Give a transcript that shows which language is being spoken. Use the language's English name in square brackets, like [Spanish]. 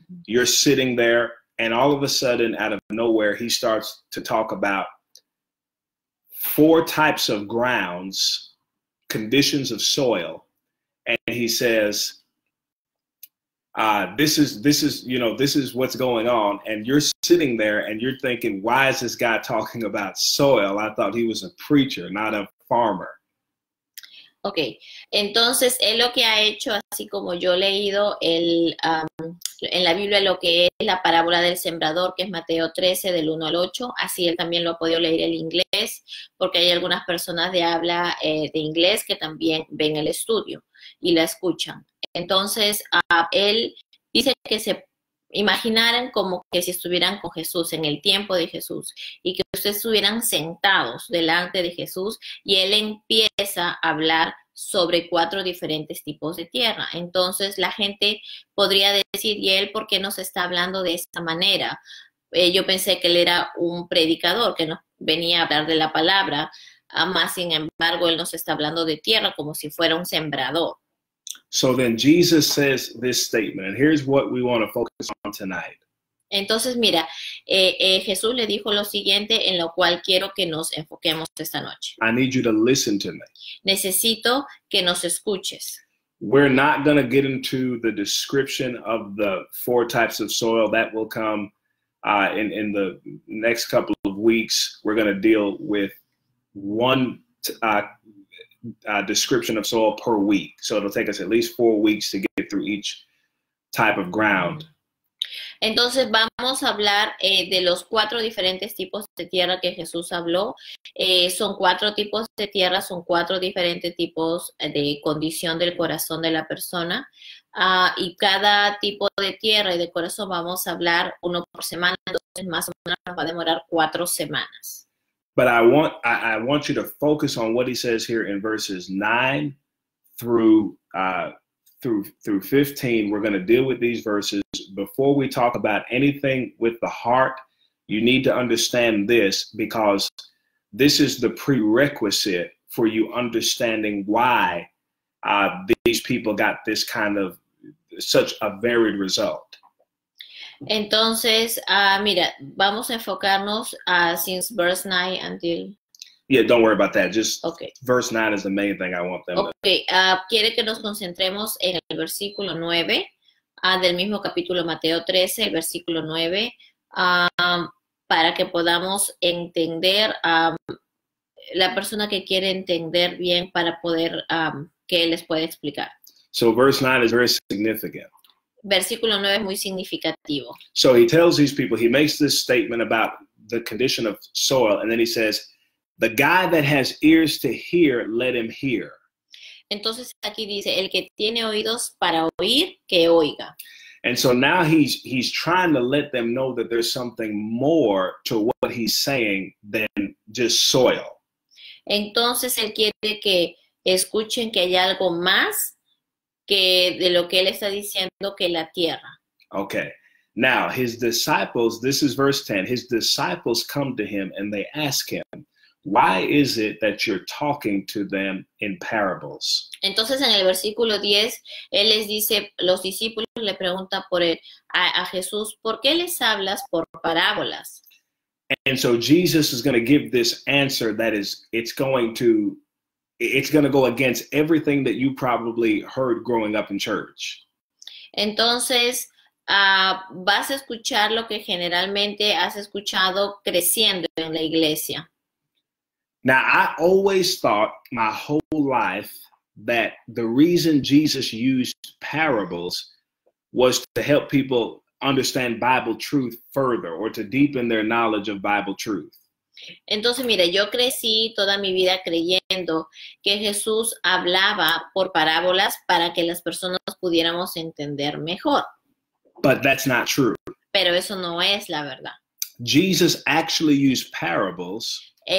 [English] You're sitting there, and all of a sudden, out of nowhere, he starts to talk about four types of grounds, conditions of soil, and he says, this is you know, this is what's going on. And you're sitting there and you're thinking, why is this guy talking about soil? I thought he was a preacher, not a farmer. Okay. [Spanish] Entonces, él lo que ha hecho, así como yo he leído el en la Biblia, lo que es la parábola del sembrador, que es Mateo 13, del 1 al 8, así él también lo ha podido leer en inglés, porque hay algunas personas de habla de inglés que también ven el estudio y la escuchan. Entonces, él dice que se imaginaran como que si estuvieran con Jesús, en el tiempo de Jesús, y que ustedes estuvieran sentados delante de Jesús, y él empieza a hablar sobre cuatro diferentes tipos de tierra. Entonces, la gente podría decir, ¿y él por qué nos está hablando de esta manera? Yo pensé que él era un predicador, que nos venía a hablar de la palabra, más sin embargo, él nos está hablando de tierra como si fuera un sembrador. [English] So then Jesus says this statement, and here's what we want to focus on tonight. [Spanish] Entonces mira, Jesús le dijo lo siguiente, en lo cual quiero que nos enfoquemos esta noche. [English] I need you to listen to me. [Spanish] Necesito que nos escuches. [English] We're not going to get into the description of the four types of soil. That will come in the next couple of weeks. We're going to deal with one description of soil per week. So it'll take us at least 4 weeks to get through each type of ground. [Spanish] Entonces vamos a hablar de los cuatro diferentes tipos de tierra que Jesús habló. Son cuatro tipos de tierra, son cuatro diferentes tipos de condición del corazón de la persona. Y cada tipo de tierra y de corazón vamos a hablar uno por semana, entonces más o menos va a demorar 4 semanas. [English] But I want you to focus on what he says here in verses 9 through 15. We're going to deal with these verses. Before we talk about anything with the heart, you need to understand this, because this is the prerequisite for you understanding why these people got this kind of, such a varied result. [Spanish] Entonces, mira, vamos a enfocarnos [English] since verse 9 until... Yeah, don't worry about that. Just okay. Verse 9 is the main thing I want them to... [Spanish] Okay, quiere que nos concentremos en el versículo 9 del mismo capítulo Mateo 13, el versículo 9, para que podamos entender la persona que quiere entender bien para poder, que les pueda explicar. [English] So verse 9 is very significant. [Spanish] Versículo 9 es muy significativo. [English] So he tells these people, he makes this statement about the condition of soil, and then he says, the guy that has ears to hear, let him hear. [Spanish] Entonces aquí dice, el que tiene oídos para oír, que oiga. [English] And so now he's trying to let them know that there's something more to what he's saying than just soil. [Spanish] Entonces él quiere que escuchen que hay algo más que de lo que él está diciendo que la tierra. [English] Okay. Now, his disciples, this is verse 10, his disciples come to him and they ask him, why is it that you're talking to them in parables? [Spanish] Entonces, en el versículo 10, él les dice, los discípulos le preguntan por él, a Jesús, ¿por qué les hablas por parábolas? [English] And so Jesus is going to give this answer that is, it's going to go against everything that you probably heard growing up in church. [Spanish] Entonces, vas a escuchar lo que generalmente has escuchado creciendo en la iglesia. [English] Now, I always thought my whole life that the reason Jesus used parables was to help people understand Bible truth further or to deepen their knowledge of Bible truth. [Spanish] Entonces, mire, yo crecí toda mi vida creyendo que Jesús hablaba por parábolas para que las personas pudiéramos entender mejor. [English] But that's not true. [Spanish] Pero eso no es la verdad. [English] Jesus actually used parables.